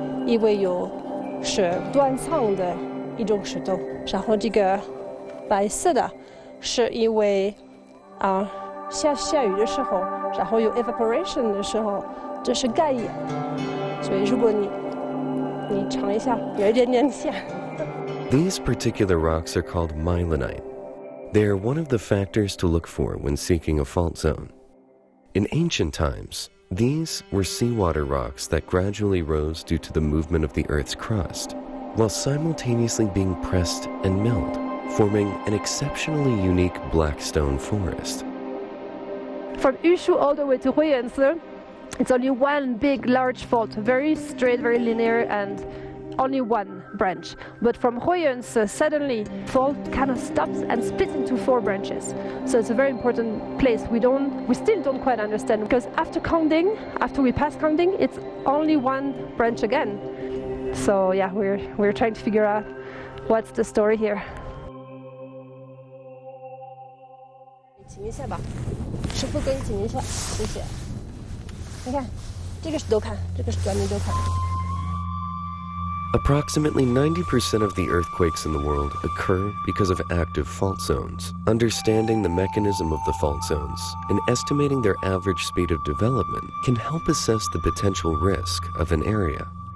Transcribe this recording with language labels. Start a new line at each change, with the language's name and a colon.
Chinese: 因为有是断层的一种石头，然后这个白色的是因为下雨的时候，然后有 evaporation 的时候，这是钙岩，所以如果你尝一下，有一点点咸。
English: These particular rocks are called myelinite. They are one of the factors to look for when seeking a fault zone. In ancient times, these were seawater rocks that gradually rose due to the movement of the Earth's crust, while simultaneously being pressed and milled, forming an exceptionally unique black stone forest. From Yushu all the way to Huiyanshi, it's only one big, large fault, very straight, very linear, and only one. Branch, but from Huiyanshi suddenly fault kind of stops and splits into four branches. So it's a very important place. We still don't quite understand because after we pass Kangding, it's only one branch again. So yeah, we're trying to figure out what's the story here.
Chinese: 停一下吧，师傅给你停一下，谢谢。你看，这个石头看，这个石头你都看。
English: Approximately 90% of the earthquakes in the world occur because of active fault zones. Understanding the mechanism of the fault zones and estimating their average speed of development can help assess the potential risk of an area.